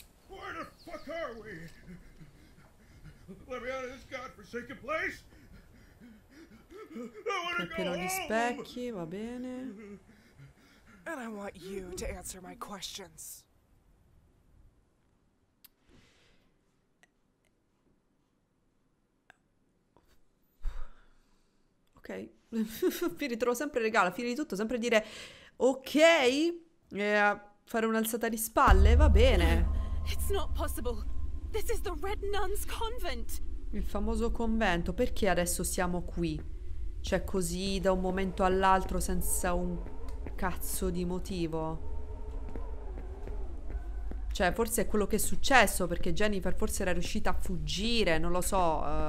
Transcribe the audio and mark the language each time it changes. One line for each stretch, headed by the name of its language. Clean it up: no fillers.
English: Where the fuck are we? Let me out of this godforsaken place.
Italian: Colpirò gli specchi, va bene.
English: And I want you to answer my questions. Ok.
Italian: Mi ritrovo sempre regalo, a fine di tutto, sempre dire ok e a fare un'alzata di spalle, va bene.
English: It's not possible. This is the Red Nun's Convent.
Italian: Il famoso convento, perché adesso siamo qui? Cioè così da un momento all'altro senza un cazzo di motivo. Cioè forse è quello che è successo, perché Jennifer forse era riuscita a fuggire, non lo so.